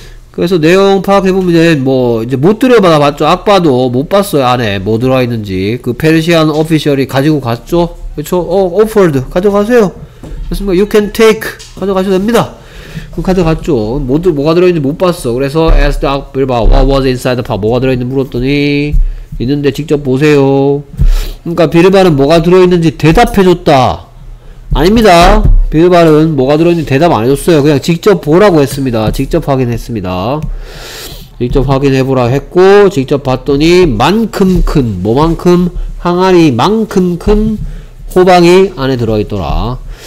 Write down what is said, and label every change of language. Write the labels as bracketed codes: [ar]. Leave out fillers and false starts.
[ko] 그래서 내용 파악해보면 뭐 이제 못 들여받아 봤죠. 악바도 못 봤어요. 안에 뭐 들어있는지. 그 페르시안 오피셜이 가지고 갔죠. 그쵸? offered. 가져가세요. 그렇습니다. [en] You can take. [ko] 가져가셔도 됩니다. 그 가져갔죠. 뭐가 들어있는지 못 봤어. [en] 그래서 asked Birbal what was inside the pot. [ko] 뭐가 들어있는지 물었더니 있는데 직접 보세요. 그러니까 빌발은 뭐가 들어있는지 대답해줬다. 아닙니다. 빌발은 뭐가 들어있는지 대답 안 해줬어요. 그냥 직접 보라고 했습니다. 직접 확인했습니다. 직접 확인해보라 했고 직접 봤더니 만큼 큰 뭐만큼 항아리 만큼 큰 호박이 안에 들어있더라.